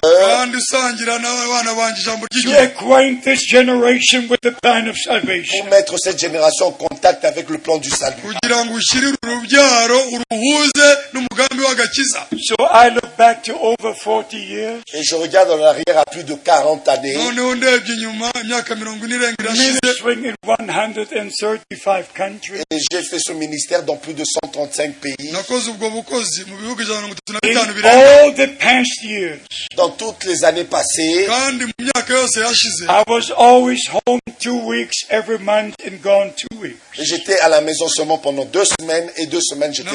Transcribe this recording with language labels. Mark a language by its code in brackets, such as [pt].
[en] To acquaint this generation with the plan of salvation. [fr] Pour mettre cette génération en contact avec le plan du salut. [en] So I look back to over 40 years. [fr] Et je regarde en arrière à plus de 40 années. [en] Ministering in 135 countries. [fr] Et j'ai fait ce ministère dans plus de 135 pays. [en] In all the past years, [fr] dans toutes les années passées, [en] I was always home 2 weeks every month and gone 2 weeks. [fr] Et j'étais à la maison seulement pendant 2 semaines et 2 semaines j'étais